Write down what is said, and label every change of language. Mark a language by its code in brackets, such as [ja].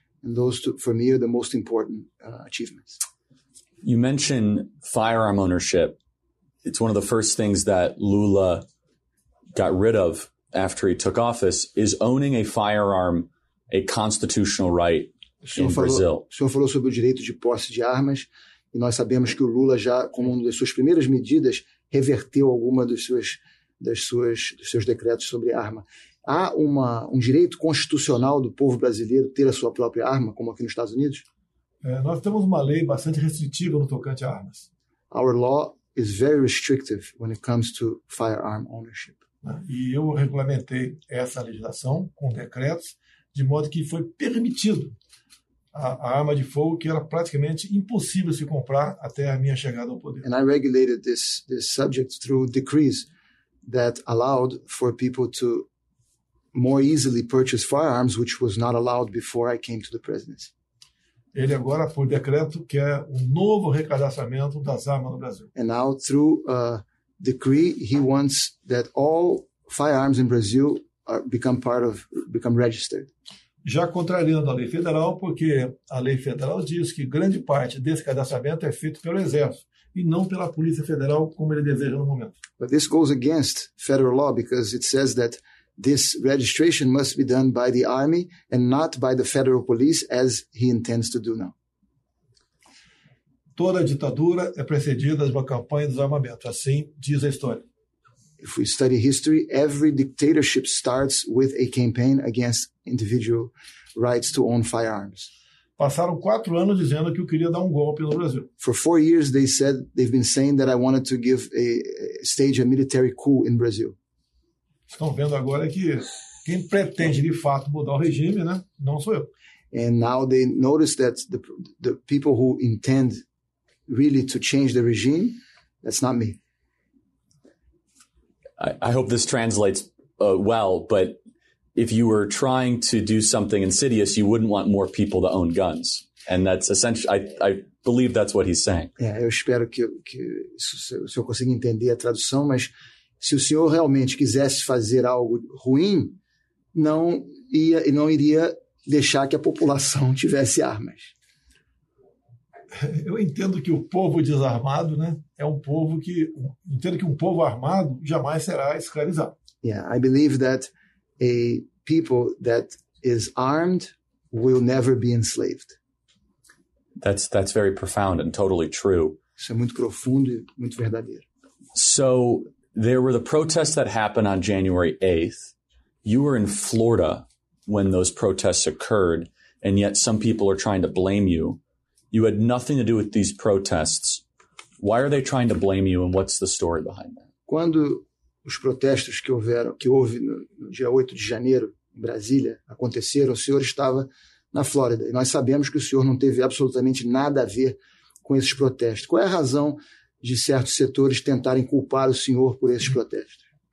[en] And those, for me, are the most important achievements. You mentioned firearm ownership. It's one of the first things that Lula got rid of after he took office. Is owning a firearm a constitutional right [pt] Brasil. O senhor falou sobre o direito de posse de armas, e nós sabemos que o Lula já, como uma das suas primeiras medidas, reverteu alguma dos seus decretos sobre arma. Há um direito constitucional do povo brasileiro ter a sua própria arma, como aqui nos Estados Unidos? Nós temos uma lei bastante restritiva no tocante a armas. [en] Our law is very restrictive when it comes to firearm ownership. [pt] E eu regulamentei essa legislação com decretos, de modo que foi permitido a arma de fogo, que era praticamente impossível se comprar até a minha chegada ao poder. [en] And I regulated this subject through decrees that allowed for people to more easily purchase firearms, which was not allowed before I came to the presidency. [pt] Ele agora, por decreto, quer um novo recadastramento das armas no Brasil. [en] And now, through a decree, he wants that all firearms in Brazil become registered. [pt] Já contrariando a lei federal, porque a lei federal diz que grande parte desse cadastramento é feito pelo Exército e não pela Polícia Federal, como ele deseja no momento. [en] But this goes against federal law, because it says that this registration must be done by the Army and not by the federal police, as he intends to do now. [pt] Toda ditadura é precedida de uma campanha de desarmamento, assim diz a história. [en] If we study history, every dictatorship starts with a campaign against individual rights to own firearms. [pt] Passaram 4 anos dizendo que eu queria dar um golpe no Brasil. [en] For 4 years, they said, they've been saying that I wanted to give a stage a military coup in Brazil. [pt] Estão vendo agora que quem pretende de fato mudar o regime, né, não sou eu. [en] And now they notice that the people who intend really to change the regime, that's not me. I hope this translates well, but if you were trying to do something insidious, you wouldn't want more people to own guns. And that's essentially, I believe that's what he's saying. [pt] Yeah, eu espero que o senhor consiga entender a tradução, mas se o senhor realmente quisesse fazer algo ruim, não iria deixar que a população tivesse armas. Eu entendo que o povo desarmado, né, é um povo que entendo que um povo armado jamais será escravizado. [en] Yeah, I believe that a people that is armed will never be enslaved. That's very profound and totally true. [pt] Isso é muito profundo e muito verdadeiro. [en] So there were the protests that happened on January 8th. You were in Florida when those protests occurred, and yet some people are trying to blame you. You had nothing to do with these protests. Why are they trying to blame you, and what's the story behind that? [pt] Quando os protestos que houve no dia 8 de janeiro em Brasília aconteceram, o senhor estava na Flórida, e nós sabemos que o senhor não teve absolutamente nada a ver com esses protestos. Qual é a razão de certos setores tentarem culpar o senhor por esses protestos?